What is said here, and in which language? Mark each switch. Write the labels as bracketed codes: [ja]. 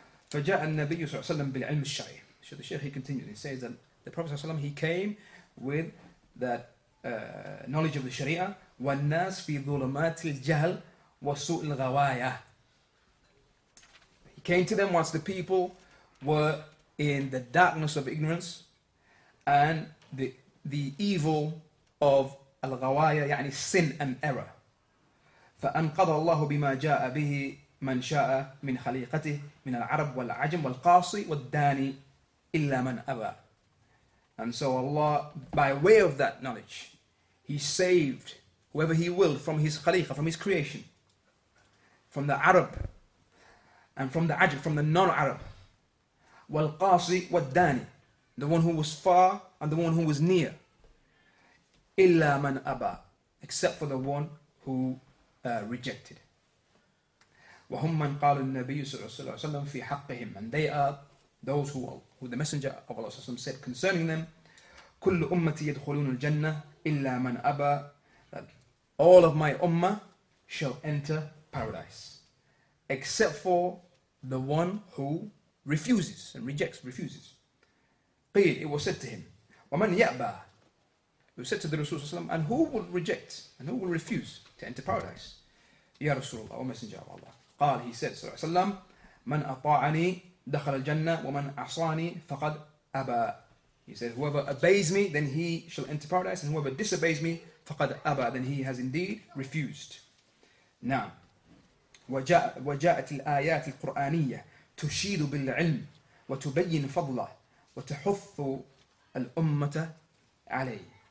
[ar] فجاء النبي صلى الله عليه وسلم بالعلم الشرعي. [en] So the Shaykh, he continued, he says that the Prophet صلى الله عليه وسلم, he came with that knowledge of the Sharia. [ar] والناس في ظلمات الجهل وسوء الغواية. [en] He came to them whilst the people were in the darkness of ignorance and the evil of الغواية, يعني sin and error. [ar] فأنقذ الله بما جاء به من شاء من خليقته من العرب والعجم والقاصي والداني إلا من أبى. [en] And so Allah, by way of that knowledge, He saved whoever He willed from His khalifa, from His creation, from the Arab and from the Ajam, from the non-Arab, [ar] والقاصي والداني, [en] the one who was far and the one who was near, [ar] إلا من أبى, [en] except for the one who rejected. [ar] وهم من قال النبي صلى الله عليه وسلم في حقهم, [en] and they are those who the messenger of Allah صلى الله عليه وسلم said concerning them, [ar] كل أمتي يدخلون الجنة إلا من أبى, [en] that all of my ummah shall enter paradise except for the one who refuses and rejects, refuses. [ar] قيل, [en] it was said to him, [ar] ومن يأبى, [en] it was said to the Rasul صلى الله عليه وسلم, and who will reject and who will refuse to enter paradise? [ar] يا رسول الله ومسنجر الله. قال, [en] he said, [ar] صلى الله عليه وسلم, من أطاعني دخل الجنة ومن أعصاني فقد أبى. [en] He said, whoever obeys me, then he shall enter paradise, and whoever disobeys me, [ar] فقد أبى, [en] then he has indeed refused. [ar] نعم. وجاءت الآيات القرآنية تشيد بالعلم وتبين فضله وتحث الأمة عليه.